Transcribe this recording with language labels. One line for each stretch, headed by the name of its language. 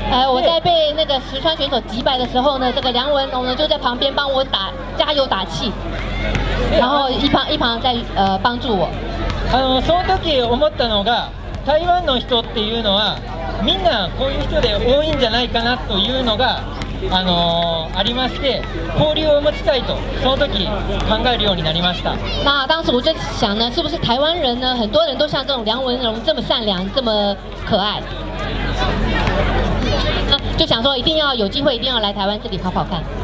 Chinese: 我在被那个石川选手击败的时候呢，这个梁文龙呢就在旁边帮我打加油打气，然后一旁在帮助我。
Japanese: その時思ったのが、台湾の人っていうのはみんなこういう人で多いんじゃないかなというのがありまして、交流を持ちたいとその時考えるようになりました。
Chinese: 那当时我就想呢，是不是台湾人呢很多人都像这种梁文龙这么善良这么可爱，就想说一定要有机会一定要来台湾这里跑跑看。